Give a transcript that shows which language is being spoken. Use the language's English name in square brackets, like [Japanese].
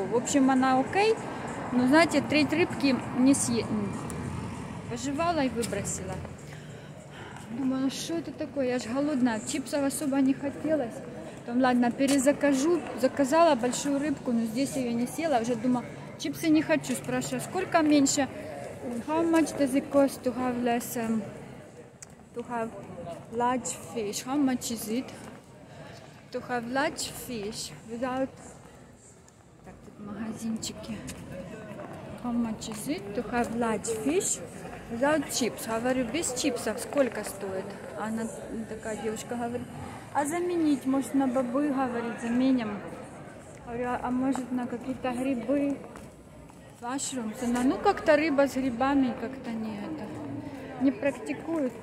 [Russian] В общем, она окей, но, знаете, треть рыбки не съедена. Пожевала и выбросила. Думала, что это такое? Я же голодная. Чипсов особо не хотелось. Там, ладно, перезакажу. Заказала большую рыбку, но здесь ее не съела. Уже думала, чипсы не хочу. Спрашиваю, сколько меньше? [English] How much does it cost to have less, to have large fish? How much is it to have large fish without... [Russian] Так, тут магазинчики. [English] How much is it to have large fish? Without chips. [Russian] Говорю, без чипсов сколько стоит? Она такая девушка говорит, а заменить, может, на бобы, говорит, заменим. Говорю, а может, на какие-то грибы? [English] Mushrooms. [Russian] Она, ну, как-то рыба с грибами как-то не это, не практикуют.